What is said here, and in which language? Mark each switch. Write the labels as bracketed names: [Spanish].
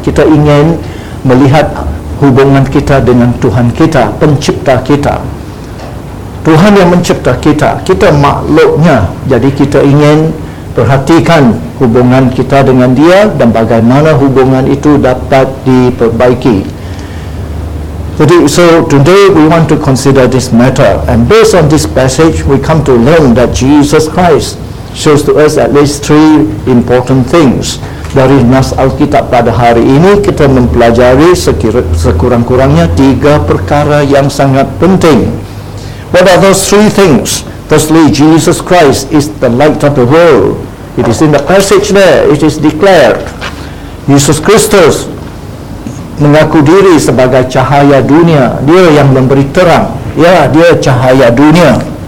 [Malay] Kita ingin melihat hubungan kita dengan Tuhan kita, pencipta kita. Tuhan yang mencipta kita, kita makhluknya. Jadi kita ingin perhatikan hubungan kita dengan Dia dan bagaimana hubungan itu dapat diperbaiki. [English] Jadi, so today we want to consider this matter, and based on this passage, we come to learn that Jesus Christ shows to us at least three important things. [Malay] Dari nas Alkitab pada hari ini kita mempelajari sekurang-kurangnya tiga perkara yang sangat penting. [English] What are those three things? Firstly, Jesus Christ is the light of the world. It is in the passage there, it is declared. Jesus Christus [Malay] mengaku diri sebagai cahaya dunia. Dia yang memberi terang. Ya, dia cahaya dunia.